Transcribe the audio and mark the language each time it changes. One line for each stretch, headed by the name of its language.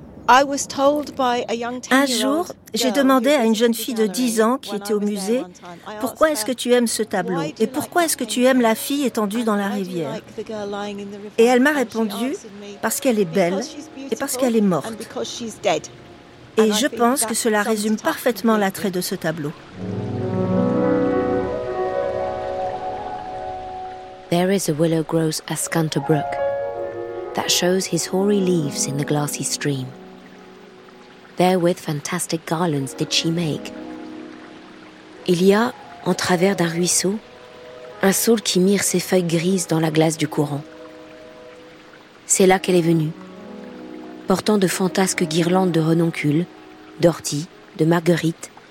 French: Un jour, j'ai demandé à une jeune fille de 10 ans qui était au musée, « Pourquoi est-ce que tu aimes ce tableau ? Et pourquoi est-ce que tu aimes la fille étendue dans la rivière ?» Et elle m'a répondu, « Parce qu'elle est belle et parce qu'elle est morte. » Et je pense que cela résume parfaitement l'attrait de ce tableau.
English: There is a willow grows Ascanta Brook that shows his hoary leaves in the glassy stream. Therewith fantastic garlands did she make.
French: Il y a, en travers d'un ruisseau, un saule qui mire ses feuilles grises dans la glace du courant. C'est là qu'elle est venue, portant de fantasques guirlandes de renoncules, d'orties, de marguerites.